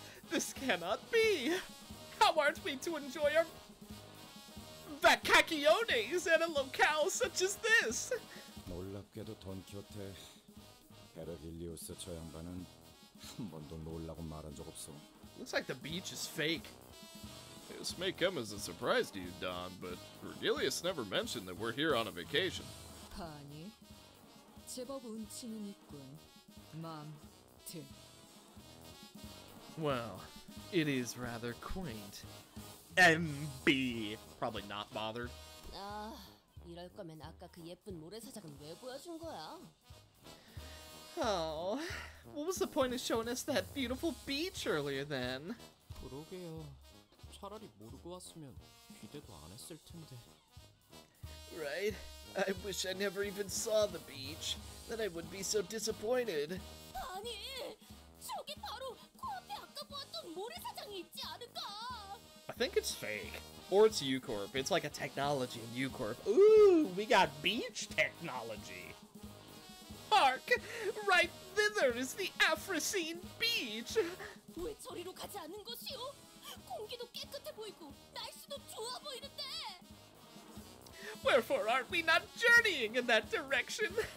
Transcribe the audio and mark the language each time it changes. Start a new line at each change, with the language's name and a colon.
English: This cannot be! How aren't we to enjoy our vacaciones at a locale such as this?
Korean: 놀랍게도 돈키호테, 베르길리우스 저 양반은 한 번도 놀라고 말한 적 없어.
English: Looks like the beach is fake. This may come as a surprise to you, Don, but Virgilius never mentioned that we're here on a vacation.
Korean: 아니, 제법 운치는 있군. 맘, 듣.
English: Well, it is rather quaint. MB! Probably not bothered.
Korean: Ah, 이럴 거면 아까 그 예쁜 모래사장은 왜 보여준 거야?
English: Oh, what was the point of showing us that beautiful beach earlier then?
Korean: 그러게요. 차라리 모르고 왔으면 기대도 안 했을 텐데.
English: Right? I wish I never even saw the beach. Then I would be so disappointed.
Korean: 아니, 저기 바로 코앞에 아까 보았던 모래사장이 있지 않을까?
English: I think it's fake. Or it's U-Corp. It's like a technology in U-Corp. Ooh, we got beach technology. Hark! Right thither is the Afrosine Beach!
Korean: 왜 저리로 가지 않는 것이오? 공기도 깨끗해 보이고 날씨도 좋아 보이는데!
English: Wherefore aren't we not journeying in that direction?